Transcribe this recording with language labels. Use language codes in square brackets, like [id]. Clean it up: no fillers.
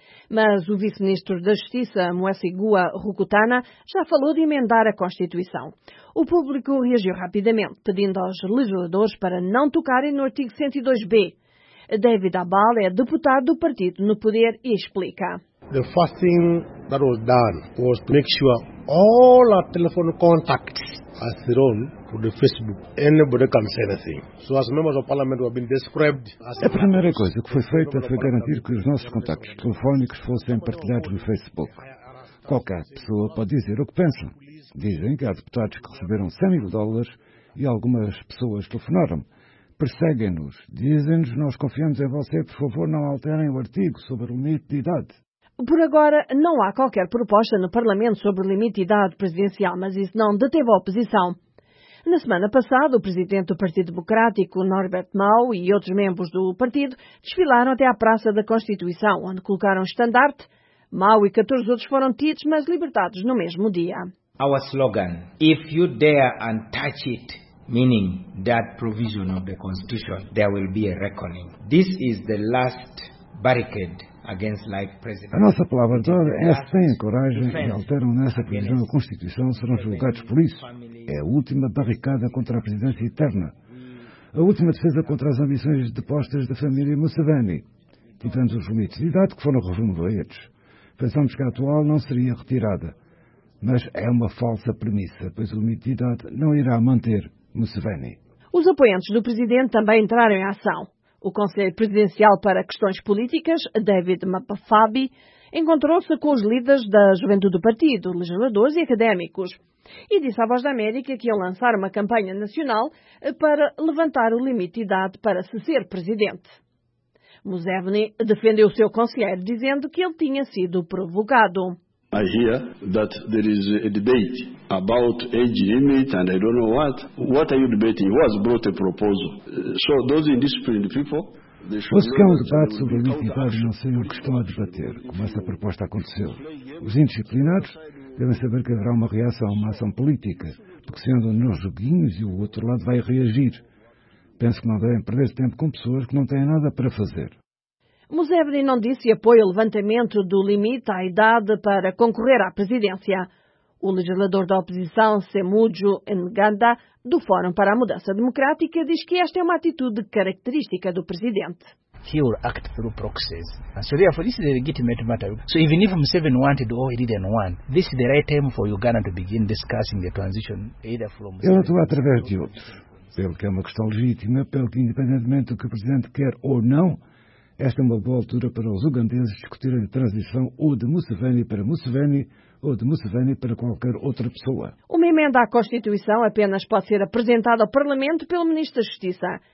[pt] Mas o vice-ministro da Justiça, Muesi Gua Rukutana, já falou de emendar a Constituição. O público reagiu rapidamente, pedindo aos legisladores para não tocarem no artigo 102b. David Abal é deputado do Partido no Poder e explica. [en] The first thing that was done was to make sure all our telephone contacts are thrown through the Facebook. Anybody can say anything. So as members of Parliament have been described as [pt] a primeira coisa que foi feita foi garantir que os nossos contactos telefónicos fossem partilhados no Facebook. Qualquer pessoa pode dizer o que pensa. Dizem que há deputados que receberam 100 mil dólares e algumas pessoas telefonaram. Perseguem-nos. Dizem-nos, nós confiamos em você, por favor, não alterem o artigo sobre o limite de idade. Por agora, não há qualquer proposta no Parlamento sobre o limite de idade presidencial, mas isso não deteve a oposição. Na semana passada, o presidente do Partido Democrático, Norbert Mao, e outros membros do partido desfilaram até à Praça da Constituição, onde colocaram o estandarte. Mao e 14 outros foram detidos, mas libertados no mesmo dia. [en] Our slogan, if you dare and touch it, meaning that provision of the Constitution, there will be a reckoning. This is the last barricade against life, President. [pt] A nossa palavra-chave é: se têm coragem e alteram nessa provisão da Constituição, serão julgados por isso. É a última barricada contra a presidência eterna. A última defesa contra as ambições depostas da família Museveni. Tivemos os limites de idade que foram removidos. Pensamos que a atual não seria retirada. Mas é uma falsa premissa, pois o limite de idade não irá manter Museveni. Os apoiantes do presidente também entraram em ação. O Conselho Presidencial para Questões Políticas, David Mapafabi, encontrou-se com os líderes da juventude do partido, legisladores e académicos, e disse à Voz da América que iam lançar uma campanha nacional para levantar o limite de idade para se ser presidente. Museveni defendeu o seu conselheiro, dizendo que ele tinha sido provocado. [en] I hear that there is a debate about age limit and I don't know what. What are you debating? Who has brought a proposal? So those indisciplined people, they should... [pt] Ouço que há um debate sobre a limite de idade, não sei o que estão a debater, como essa proposta aconteceu. Os indisciplinados devem saber que haverá uma reação a uma ação política, porque se andam nos joguinhos e o outro lado vai reagir. Penso que não devem perder tempo com pessoas que não têm nada para fazer. Museveni não disse apoio ao levantamento do limite à idade para concorrer à presidência. O legislador da oposição, Semudjo Nganda, do Fórum para a Mudança Democrática, diz que esta é uma atitude característica do presidente. [en] He will act through proxies. So therefore, this is a legitimate matter. So even if Museveni wanted or he didn't want, this is the right time for Uganda to begin discussing the transition either from... [pt] Ele atua através de outros. Pelo que é uma questão legítima, pelo que independentemente do que o presidente quer ou não, esta é uma boa altura para os ugandeses discutirem a transição ou de Museveni para Museveni ou de Museveni para qualquer outra pessoa. Uma emenda à Constituição apenas pode ser apresentada ao Parlamento pelo Ministro da Justiça.